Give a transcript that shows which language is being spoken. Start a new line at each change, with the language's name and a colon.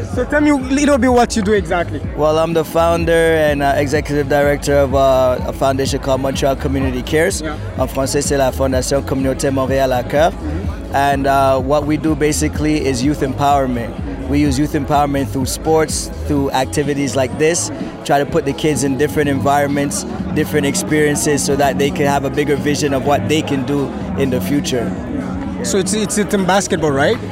English: So tell me a little bit what you do exactly. Well, I'm the founder and executive director of a foundation called Montreal Community Cares. Yeah.
French: En français, c'est la Fondation Communauté Montréal à cœur. Mm-hmm.
English: And what we do basically is youth empowerment. We use youth empowerment through sports, through activities like this, try to put the kids in different environments, different experiences, so that they can have a bigger vision of what they can do in the future. So it's in basketball, right?